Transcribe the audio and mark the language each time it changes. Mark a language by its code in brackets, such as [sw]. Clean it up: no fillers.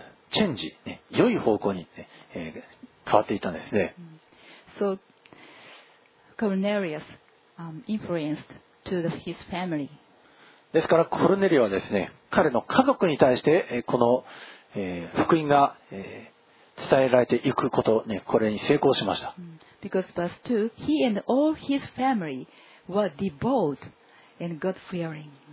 [ja] チェンジ、ね、良い方向に、ね変わっていたんですね。 [en] So, Cornelius, influenced to his family. [ja] ですからコルネリオはですね、彼の家族に対してこの、福音が、伝えられていくこと、ね、これに成功しました。 [en] Because verse 2, he and all his family were devout and God-fearing.